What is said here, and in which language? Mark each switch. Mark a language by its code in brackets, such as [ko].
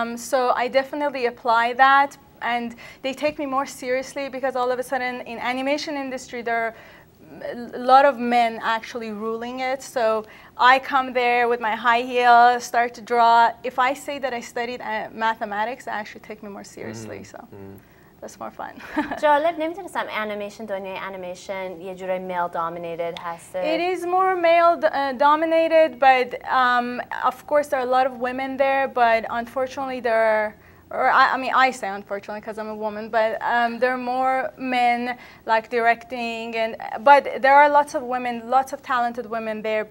[en] So I definitely apply that. And they take me more seriously because all of a sudden in animation industry there are a lot of men actually ruling it. So I come there with my high heels, start to draw. If I say that I studied mathematics, they actually take me more seriously. That's more fun. [fa] جالب. نمیدونستم انیمیشن، دنیای انیمیشن یه جوری [en] male dominated [fa] هست. [en] It is more male dominated, but of course there are a lot of women there, but unfortunately there are I say unfortunately because I'm a woman, but there are more men like directing, and but there are lots of women, lots of talented women there.